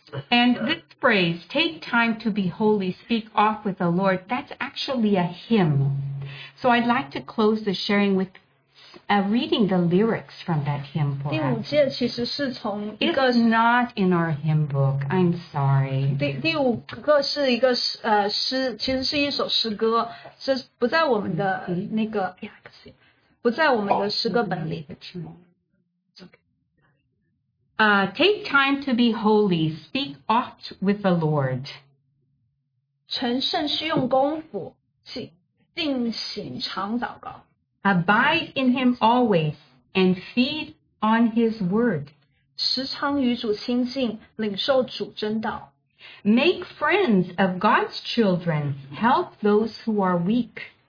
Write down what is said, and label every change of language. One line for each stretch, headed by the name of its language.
English: And this phrase, take time to be holy, speak off with the Lord, that's actually a hymn. So I'd like to close the sharing with reading the lyrics from that hymn for us.
Chinese: 第五戒其实是从一个
English: It's not in our hymn book, I'm sorry.
Chinese: 第五个是一个诗，其实是一首诗歌，是不在我们的那个，不在我们的诗歌本里。
English: Take time to be holy, speak oft with the Lord.
Chinese: 成圣需用功夫，定醒常祷告。
English: Abide in him always and feed on his word.
Chinese: 时常与主亲近，领受主真道。
English: Make friends of God's children, help those who are weak.